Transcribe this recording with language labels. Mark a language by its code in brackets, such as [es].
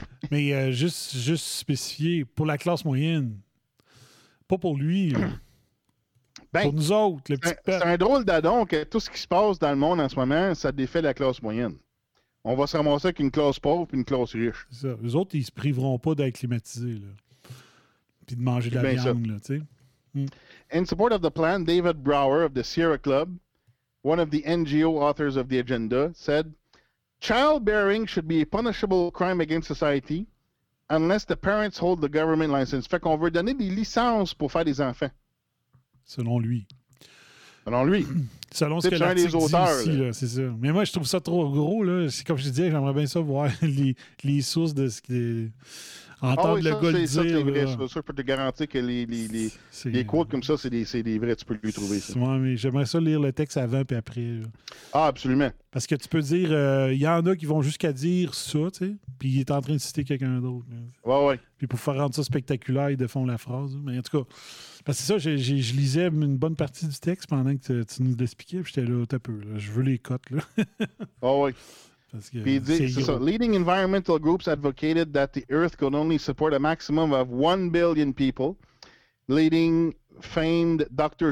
[fr] Mais juste spécifier, pour la classe moyenne, pas pour lui, ben, pour nous autres, le petit peuple. C'est un drôle d'adon que tout ce qui se passe dans le monde en ce moment, ça défait la classe moyenne. On va se ramasser avec une classe pauvre et une classe riche. C'est ça. Eux autres, ils se priveront pas d'être climatisés. Là. Puis de manger de la viande. Là, tu sais. [en] In support of the plan, David Brower of the Sierra Club, one of the NGO authors of the agenda, said, childbearing should be a punishable crime against society unless the parents hold the government license. [fr] Fait qu'on veut donner des licences pour faire des enfants. Selon lui. Selon lui. Selon ce que l'article dit auteurs, ici, là, c'est ça. Mais moi, je trouve ça trop gros. Là. C'est comme je disais, j'aimerais bien ça voir les sources de ce qui est... Entendre le gars le dire. C'est sûr, je peux te garantir que les quotes comme ça, c'est des vrais. Tu peux lui trouver ça. Ouais, mais j'aimerais ça lire le texte avant puis après. Là. Ah, absolument. Parce que tu peux dire, il y en a qui vont jusqu'à dire ça, tu sais, puis il est en train de citer quelqu'un d'autre. Là. Ouais, ouais. Puis pour faire rendre ça spectaculaire, ils défont la phrase. Là. Mais en tout cas, parce que ça, je lisais une bonne partie du texte pendant que tu nous l'expliquais, puis j'étais là, t'as peu, là. Je veux les cotes, là. Ah, ouais. Parce que, c'est ça. [en] Leading environmental groups advocated that the Earth could only support a maximum of 1 billion people, leading famed Dr.